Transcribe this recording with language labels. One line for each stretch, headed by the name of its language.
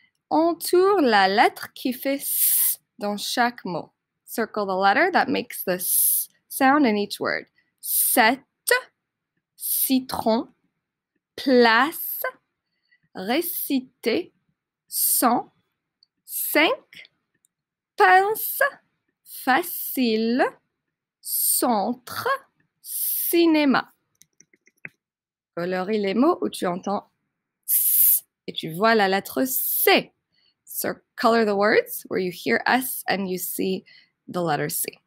French: Entoure la lettre qui fait S dans chaque mot.
English: Circle the letter that makes the S sound in each word.
French: Sept, citron, place, réciter, cent, cinq, pince, facile, centre, cinéma. Colorie les mots où tu entends S et tu vois la lettre C.
English: So color the words where you hear S and you see the letter C.